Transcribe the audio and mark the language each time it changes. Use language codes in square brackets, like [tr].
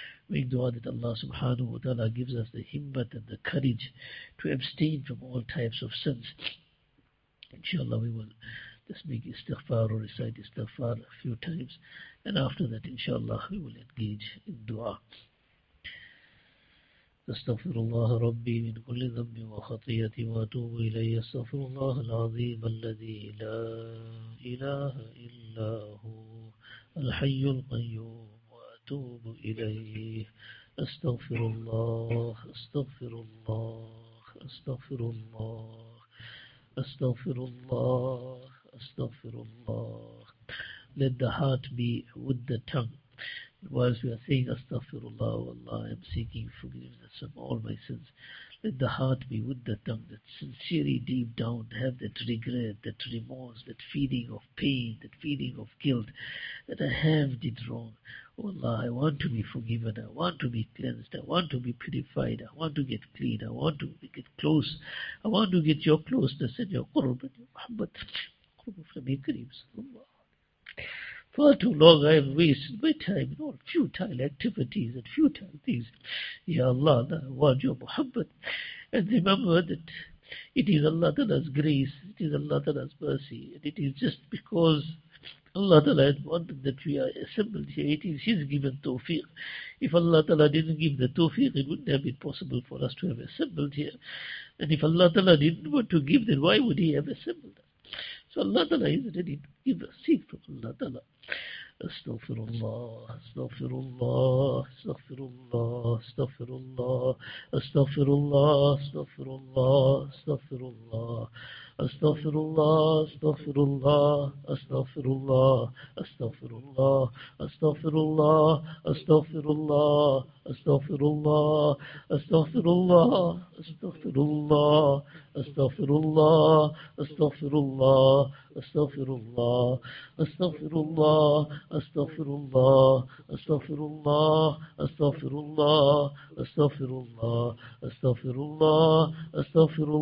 [en] We make dua that Allah Subhanahu wa Ta'ala gives us the himmat and the courage to abstain from all types of sins. Inshallah, we will just make istighfar or recite istighfar a few times. And after that, inshallah, we will engage in dua. [ar] أستغفر الله ربي من كل ذنب وخطية وأتوب إليه أستغفر الله العظيم الذي لا إله إلا هو الحي القيوم وأتوب إليه أستغفر الله أستغفر الله أستغفر الله أستغفر الله أستغفر الله [en] Let the heart be with the tongue. Whilst we are saying Astaghfirullah, oh Allah, I am seeking forgiveness of all my sins, let the heart be with the tongue, that sincerely deep down have that regret, that remorse, that feeling of pain, that feeling of guilt, that I have did wrong. Oh Allah, I want to be forgiven, I want to be cleansed, I want to be purified, I want to get clean, I want to get close, I want to get your closeness and your qurb and your muhabbat, qurb of Nabi Kareem sallallahu alayhi wa sallam. Far too long I have wasted my time in all futile activities and futile things. Ya Allah, I want your Muhammad. And remember that it is Allah Ta'ala's grace, it is Allah Ta'ala's mercy, and it is just because Allah Ta'ala had wanted that we are assembled here, it is His given tawfiq. If Allah Ta'ala didn't give the tawfiq, it wouldn't have been possible for us to have assembled here. And if Allah Ta'ala didn't want to give, then why would He have assembled us? So Allah Ta'ala is ready to give us. Seek from Allah Ta'ala. [ar] استغفر الله استغفر الله استغفر الله استغفر الله استغفر الله استغفر الله استغفر الله استغفر الله استغفر الله استغفر الله استغفر الله استغفر الله استغفر الله استغفر الله استغفر الله استغفر الله استغفر الله استغفر الله استغفر الله استغفر الله استغفر الله استغفر الله استغفر الله استغفر الله استغفر الله استغفر